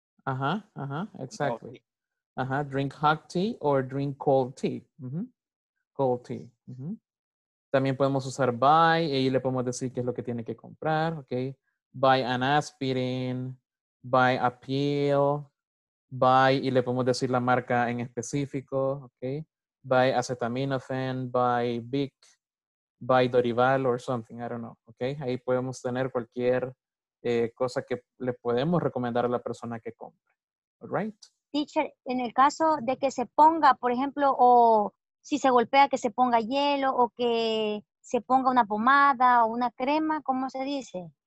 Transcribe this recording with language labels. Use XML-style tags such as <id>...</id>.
<en>Ajá, ajá, exactly. Ajá, drink hot tea or drink cold tea. Uh-huh. Cold tea. Uh-huh.</en> <es>También podemos usar buy, y le podemos decir qué es lo que tiene que comprar. Okay.</es> <en>Buy an aspirin, buy a pill.</en> <es>Buy, y le podemos decir la marca en específico, okay?</es> <en>Buy acetaminophen, buy Bic, buy Dorival or something, I don't know, okay?</en> <es>Ahí podemos tener cualquier cosa que le podemos recomendar a la persona que compre,</es> <en>all right?</en> <es>Teacher, en el caso de que se ponga, por ejemplo, o si se golpea, que se ponga hielo, o que se ponga una pomada o una crema, ¿cómo se dice?</es>